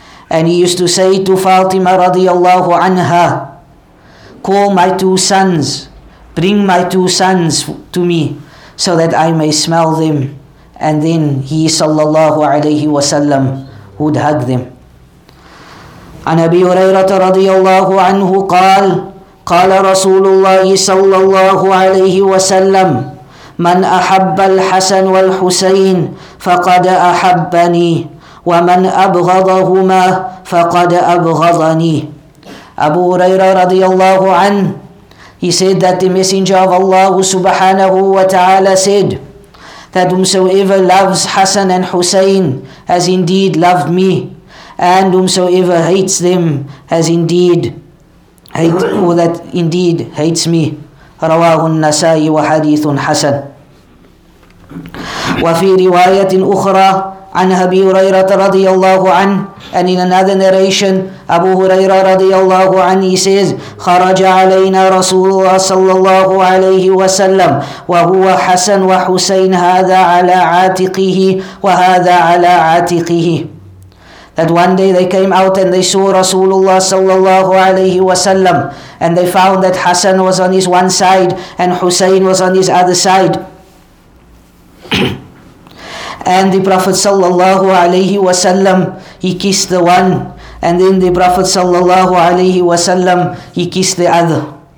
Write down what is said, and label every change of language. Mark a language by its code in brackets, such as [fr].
[en] And he used to say to Fatima radiallahu anha, call my two sons, bring my two sons to me so that I may smell them. And then he sallallahu alayhi wa sallam would hug them. [ar] An Abi Hurairah radiallahu anhu qal, قال رسول الله صلى الله عليه وسلم من أحب الحسن والحسين فقد أحبني ومن أبغضهما فقد أبغضني. [en] Abu Huraira radiallahu anhu, he said that the Messenger of Allah subhanahu wa ta'ala said that whomsoever loves Hassan and Hussein has indeed loved me, and whomsoever hates them has indeed hates me. [ar] رواه النسائي وحديث حسن. وفي رواية أخرى عن أبي هريرة رضي الله عنه, [en] and in another narration, [ar] أبو هريرة رضي الله عنه, [en] he says, [ar] خرج علينا رسول الله صلى الله عليه وسلم وهو حسن وحسين هذا على عاتقه وهذا على عاتقه. [en] That one day they came out and they saw Rasulullah sallallahu alayhi wa sallam, and they found that Hassan was on his one side and Hussein was on his other side. And the Prophet sallallahu alayhi wa sallam, he kissed the one, and then the Prophet sallallahu alayhi wa sallam, he kissed the other.